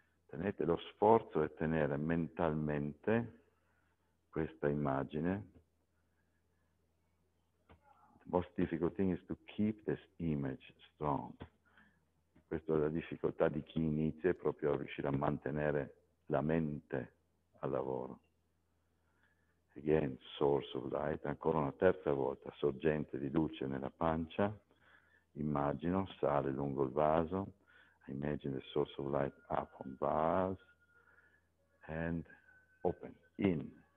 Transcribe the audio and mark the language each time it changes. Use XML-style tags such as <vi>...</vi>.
<it>Tenete lo sforzo è tenere mentalmente questa immagine.</it> <en>The most difficult thing is to keep this image strong.</en> <it>Questa è la difficoltà di chi inizia proprio a riuscire a mantenere la mente al lavoro.</it> <en>Again, source of light,</en> <it>ancora una terza volta, sorgente di luce nella pancia, immagino, sale lungo il vaso.</it> <en>I imagine the source of light up on vase and open in.</en>